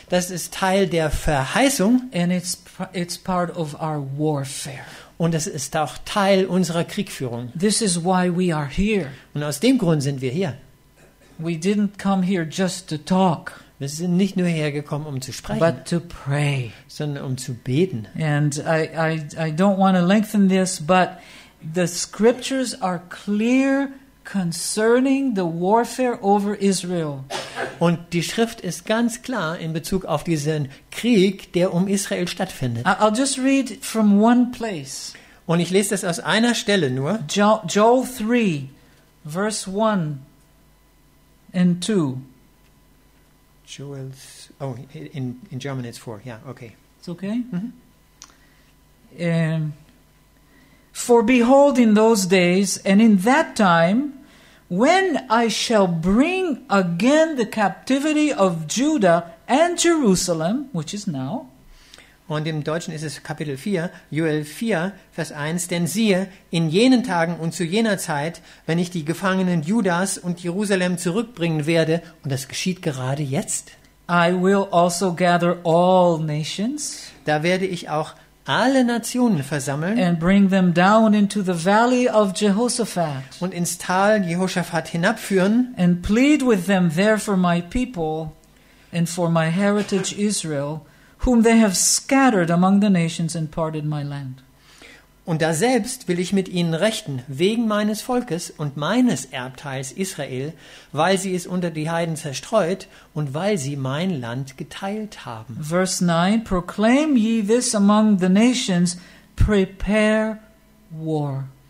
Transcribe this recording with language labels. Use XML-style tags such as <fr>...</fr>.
<de>Das ist Teil der Verheißung.</de> <en>And it's part of our warfare.</en> <de>Und es ist auch Teil unserer Kriegführung.</de> <en>This is why we are here.</en> <de>Und aus dem Grund sind wir hier.</de> <en>We didn't come here just to talk.</en> <de>Wir sind nicht nur hergekommen, um zu sprechen,</de> <en>but to pray.</en> <de>Sondern um zu beten.</de> <en>And I don't want to lengthen this, but the scriptures are clear concerning the warfare over Israel.</en> <de>Und die Schrift ist ganz klar in Bezug auf diesen Krieg, der um Israel stattfindet.</de> <en>I'll just read from one place.</en> <de>Und ich lese das aus einer Stelle nur.</de> <en>Joel 3, verse 1 and 2. In German it's 4. Yeah, okay. It's okay? Mm-hmm. For behold, in those days, and in that time, when I shall bring again the captivity of Judah and Jerusalem, which is now.</en> <de>Und im Deutschen ist es Kapitel 4, Joel 4, Vers 1. Denn siehe, in jenen Tagen und zu jener Zeit, wenn ich die Gefangenen Judas und Jerusalem zurückbringen werde, und das geschieht gerade jetzt,</de> <en>I will also gather all nations.</en> <de>Da werde ich auch alle Nationen versammeln</de> <en>and bring them down into the valley of Jehoshaphat</en> <de>und ins Tal Jehoshaphat hinabführen</de> <en>and plead with them there for my people and for my heritage Israel, whom they have scattered among the nations and parted my land.</en> <de>Und da selbst will ich mit ihnen rechten, wegen meines Volkes und meines Erbteils Israel, weil sie es unter die Heiden zerstreut und weil sie mein Land geteilt haben.</de> <en>Verse 9, proclaim ye this among the nations, prepare war.</en>